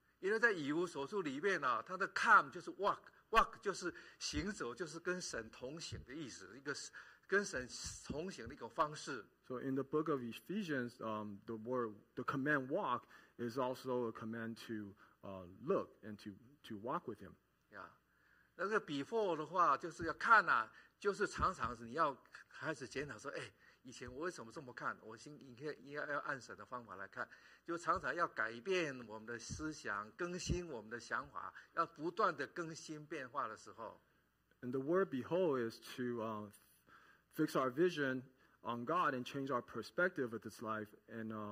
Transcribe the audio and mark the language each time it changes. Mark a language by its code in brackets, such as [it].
[zh] 因为在以弗所书里面呢，他的 come 就是 walk 就是行走，就是跟神同行的意思，一个跟神同行的一个方式。 [en] So in the book of Ephesians, the command walk is also a command to look and to walk with Him. Yeah. [zh] 那个 before 的话，就是要看呐，就是常常是你要开始检讨说，哎，以前我为什么这么看？我应该要按神的方法来看，就常常要改变我们的思想，更新我们的想法，要不断的更新变化的时候。 [en] And the word behold is to fix our vision on God and change our perspective of this life and